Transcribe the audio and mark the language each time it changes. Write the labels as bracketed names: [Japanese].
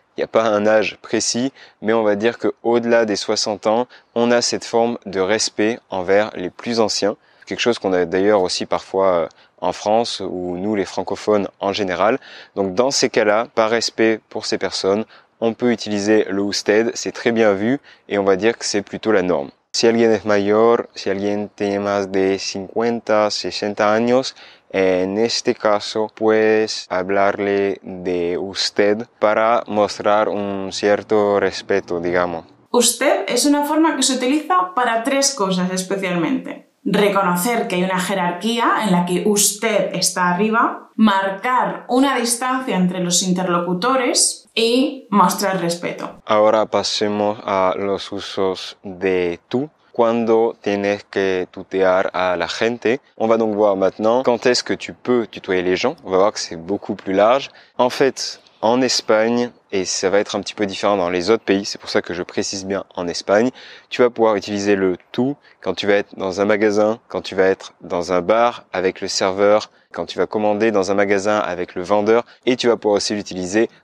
[French] Il n'y a pas un âge précis, mais on va dire qu'au-delà des 60 ans, on a cette forme de respect envers les plus anciens. Quelque chose qu'on a d'ailleurs aussi parfois en France ou nous les francophones en général. Donc dans ces cas-là, par respect pour ces personnes, on peut utiliser le usted, c'est très bien vu et on va dire que c'est plutôt la norme. [Spanish] Si alguien es mayor, si alguien tiene más de 50, 60 años, en este caso puedes hablarle de usted para mostrar un cierto respeto, digamos. Usted es una forma que se utiliza para tres cosas especialmente. Reconocer que hay una jerarquía en la que usted está arriba, marcar una distancia entre los interlocutores y mostrar respeto. Ahora pasemos a los usos de tú. Cuando tienes que tutear a la gente, [French] on va donc voir maintenant quand est-ce que tu peux tutoyer les gens. On va voir que c'est beaucoup plus large. En fait, en Espagne, et ça va être un petit peu différent dans les autres pays, c'est pour ça que je précise bien en Espagne, tu vas pouvoir utiliser le tú quand tu vas être dans un magasin, quand tu vas être dans un bar avec le serveur, quand tu vas commander dans un magasin avec le vendeur, et tu vas pouvoir aussi l'utiliser